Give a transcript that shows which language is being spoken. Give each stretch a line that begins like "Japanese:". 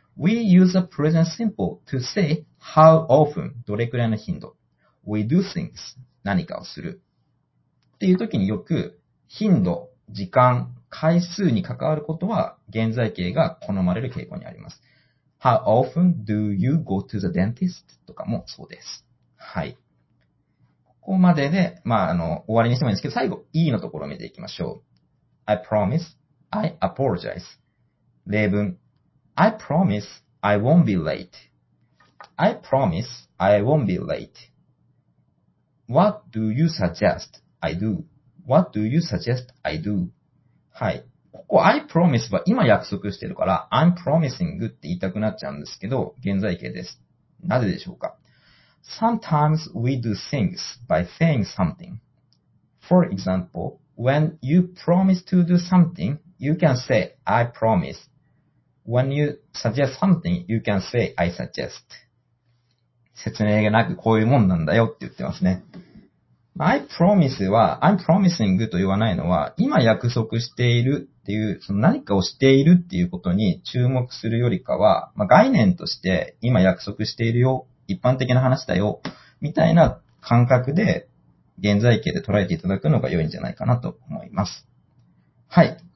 English: We use the present simple to say how often,
Japanese: どれくらいの頻度。
English: We do things,
Japanese: 何かをする。っていうときによく頻度、時間、回数に関わることは現在形が好まれる傾向にあります。
English: How often do you go to the dentist?
Japanese: とかもそうです。はい。ここまでで、まあ、終わりにしてもいいんですけど、最後、E のところを見ていきましょう。
English: I promise, I apologize.
Japanese: 例文。
English: I promise, I won't be late. I promise, I won't be late. What do you suggest I do? What do you suggest I do?
Japanese: はい。ここ I promise は今約束してるから
English: I'm promising
Japanese: って言いたくなっちゃうんですけど現在形です。なぜでしょうか?
English: Sometimes we do things by saying something. For example, when you promise to do something, you can say I promise. When you suggest something, you can say I suggest.
Japanese: 説明がなくこういうもんなんだよって言ってますね。I promise は、
English: I'm promising
Japanese: と言わないのは、今約束しているっていう、その何かをしているっていうことに注目するよりかは、まあ、概念として今約束しているよ、一般的な話だよ、みたいな感覚で現在形で捉えていただくのが良いんじゃないかなと思います。はい。